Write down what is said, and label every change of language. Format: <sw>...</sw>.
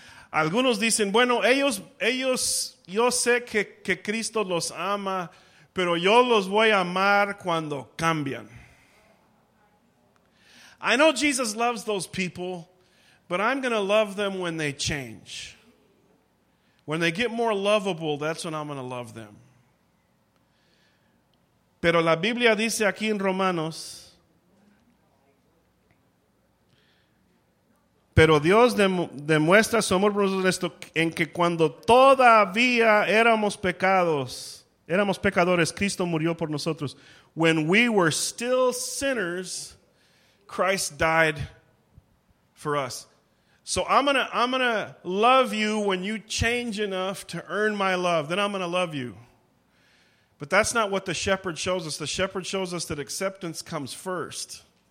<es>Algunos dicen, bueno, ellos, yo sé que Cristo los ama, pero yo los voy a amar cuando cambian.</es> <en>I know Jesus loves those people, but I'm going to love them when they change. When they get more lovable, that's when I'm going to love them.</en> <es>Pero la Biblia dice aquí en Romanos, pero Dios demuestra su amor por nosotros en esto, en que cuando todavía éramos pecadores, Cristo murió por nosotros.</es> <en>When we were still sinners, Christ died for us. So I'm gonna love you when you change enough to earn my love. Then I'm gonna love you. But that's not what the shepherd shows us. The shepherd shows us that acceptance comes first.</en>